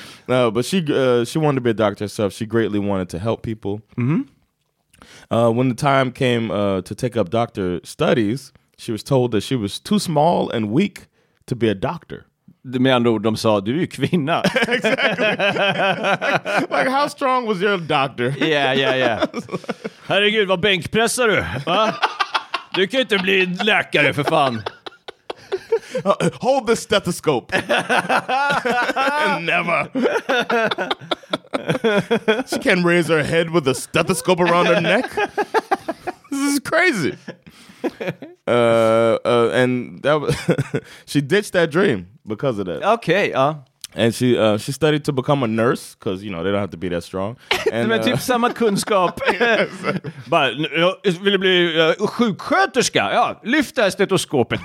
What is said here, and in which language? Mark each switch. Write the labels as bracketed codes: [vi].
[en] No, but she wanted to be a doctor herself. She greatly wanted to help people. Mm-hmm. When the time came to take up doctor studies, she was told that she was too small and weak to be a doctor. [sv] Med andra ord, de sa, du är ju kvinna. [en] Exactly. Like, how strong was your doctor? Yeah. [sv] Herregud, vad bänkpressar du? Va? Du kan ju inte bli läkare, för fan. [en] Hold the stethoscope. Never. She can't raise her head with a stethoscope around her neck. This is crazy. And that was she ditched that dream because of that. Okay, And she studied to become a nurse because, you know, they don't have to be that strong. [sv] Men typ samma kunskap. Bara, jag vill bli sjuksköterska. Ja, lyft det här stetoskopet.